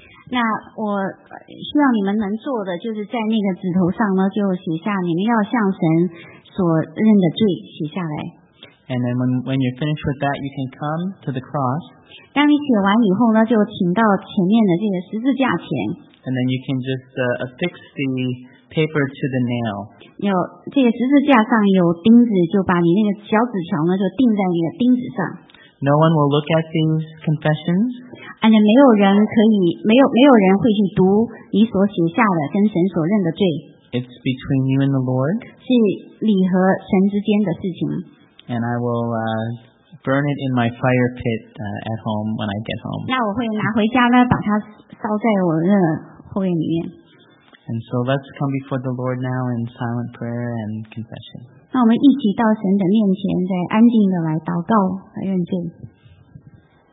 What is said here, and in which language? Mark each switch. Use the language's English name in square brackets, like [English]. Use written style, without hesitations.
[Chinese] 那我希望你们能做的就是在那个纸头上呢，就写下你们要向神所认的罪，写下来。 [English] And then when you're finished with that, you can come to the cross. [Chinese] 当你写完以后呢，就请到前面的这个十字架前。 [English] And then you can just affix the paper to the nail. [Chinese] 有这个十字架上有钉子，就把你那个小纸条呢，就钉在那个钉子上。 [English] No one will look at these confessions. And then [Chinese] 没有人可以没有人会去读你所写下的跟神所认的罪。 [English] It's between you and the Lord. [Chinese] 是你和神之间的事情。 [English] And I will burn it in my fire pit at home when I get home. [Chinese] 那我会拿回家呢，把它烧在我的后院里面。 [English] And so let's come before the Lord now in silent prayer and confession. [Chinese] 那我们一起到神的面前，再安静的来祷告和认罪。